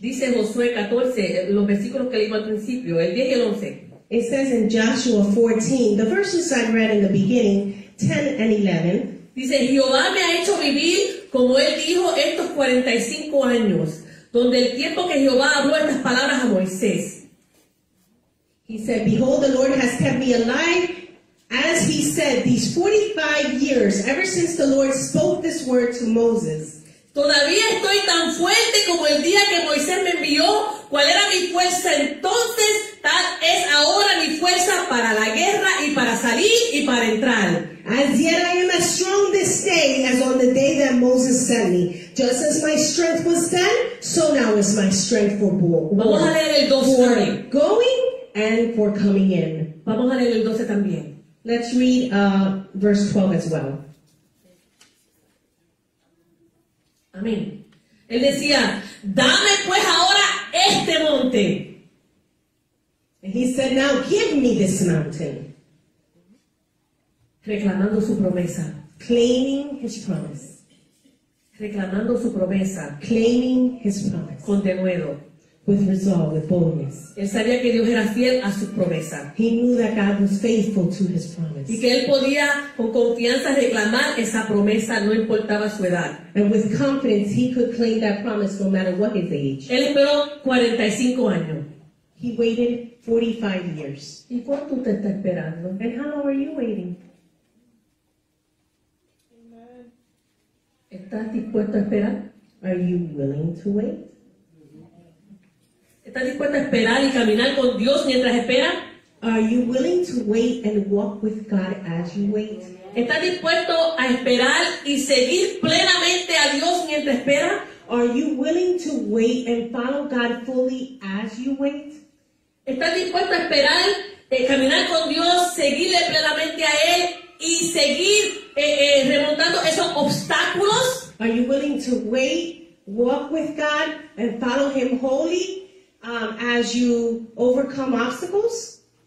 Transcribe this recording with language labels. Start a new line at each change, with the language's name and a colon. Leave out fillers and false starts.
Spanish: Dice Josué 14, los versículos que leímos al principio, el 10 y el 11.
English: It says in Joshua 14, the verses I read in the beginning, 10 and 11.
Spanish: Dice, Jehová me ha hecho vivir, como él dijo, estos 45 años. Donde el tiempo que Jehová habló estas palabras a Moisés.
English: He said, behold, the Lord has kept me alive, as he said, these 45 years, ever since the Lord spoke this word to Moses.
Spanish: Todavía estoy tan fuerte como el día que Moisés me envió. ¿Cuál era mi fuerza entonces? Tal es ahora mi fuerza para la guerra y para salir y para entrar.
English: As yet I am as strong this day as on the day that Moses sent me. Just as my strength was then, so now is my strength for war.
Spanish: Vamos a leer el 12
English: for
Spanish: también.
English: Going and for coming in.
Spanish: Vamos a leer el 12 también.
English: Let's read verse 12 as well.
Spanish: Amén. Él decía, dame pues ahora este monte.
English: And he said, now give me this mountain.
Spanish: Reclamando su promesa.
English: Claiming his promise.
Spanish: Reclamando su promesa.
English: Claiming his promise.
Spanish: Con denuedo.
English: With resolve, with boldness.
Spanish: Él sabía que Dios era fiel a su promesa.
English: He knew that God was faithful to his promise.
Spanish: Y que él podía con confianza reclamar esa promesa, no importaba su edad.
English: And with confidence, he could claim that promise no matter what his age.
Spanish: Él esperó 45 años.
English: He waited 45 years.
Spanish: ¿Y cuánto te está esperando?
English: And how long are you waiting?
Spanish: ¿Estás dispuesto a esperar?
English: Are you willing to wait?
Spanish: ¿Estás dispuesto a esperar y caminar con Dios mientras esperas?
English: Are you willing to wait and walk with God as you wait?
Spanish: ¿Estás dispuesto a esperar y seguir plenamente a Dios mientras esperas?
English: Are you willing to wait and follow God fully as you wait?
Spanish: ¿Estás dispuesto a esperar, caminar con Dios, seguirle plenamente a Él y seguir remontando esos obstáculos?
English: Are you willing to wait, walk with God, and follow Him wholly as you overcome obstacles?